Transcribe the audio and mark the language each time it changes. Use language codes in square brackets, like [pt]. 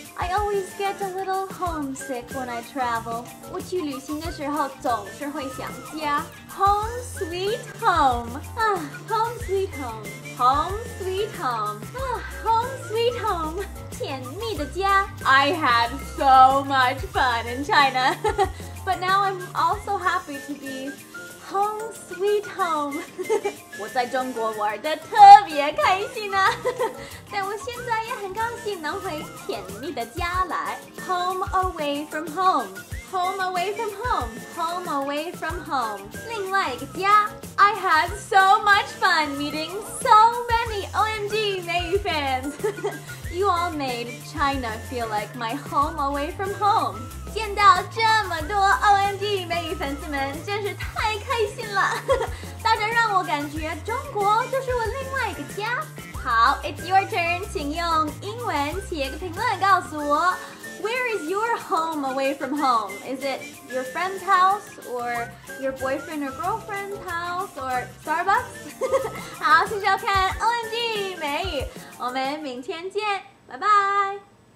[en] I always get a little homesick when I travel. [zh] 我去旅行的时候总是会想家。 [en] Home sweet home. 啊 ，home sweet home. Home sweet home. 啊 ，home sweet home. [zh] 甜蜜的家。 [en] I had so much fun in China, but now I'm also happy to be home sweet home. [zh] 我在中国玩得特别开心啊。但我现在也很高兴能回甜蜜的家来。 [en] Home away from home. Home away from home. Home away from home. [zh] 另外一个家。 [en] I had so much fun meeting so many OMG 美语 fans. You all made China feel like my home away from home. [zh] 见到这么多 OMG 美语粉丝们真是太开心了。大家让我感觉中国就是我另外一个家。 [en] 好 ，It's your turn， [zh] 请用英文写个评论告诉我 [en] ，Where is your home away from home? Is it your friend's house or your boyfriend or girlfriend's house or Starbucks? [zh] 好，谢谢收看 OMG 美语，我们明天见，拜拜。